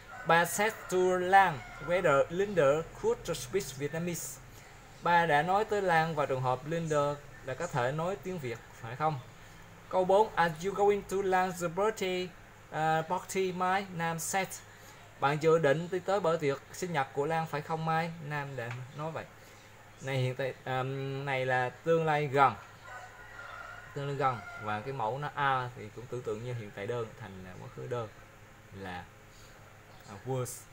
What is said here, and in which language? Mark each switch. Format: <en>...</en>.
<en>Ba said to Lan whether Linda could speak Vietnamese.</en> <vi>Ba đã nói tới Lan và trường hợp Linda là có thể nói tiếng Việt phải không? Câu 4.</vi> <en>Are you going to Lan's birthday party, Mai? Nam said.</en> <vi>Bạn dự định đi tới bữa tiệc sinh nhật của Lan phải không, Mai? Nam đã nói vậy. Này hiện tại này là tương lai gần. Tương lai gần và cái mẫu nó a thì cũng tưởng tượng như hiện tại đơn thành quá khứ đơn là was.</vi>